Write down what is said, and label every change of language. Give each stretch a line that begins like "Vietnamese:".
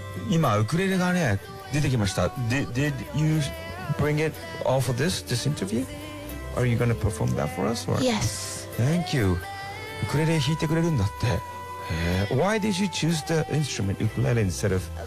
Japanese: 今、ウクレレがね、出てきました。
English: Did you bring it all for this interview? Are you going to perform that for us? Or? Yes. Thank you.
Japanese: ウクレレ弾いてくれるんだって。
English: Why did you choose the instrument, ukulele, instead of...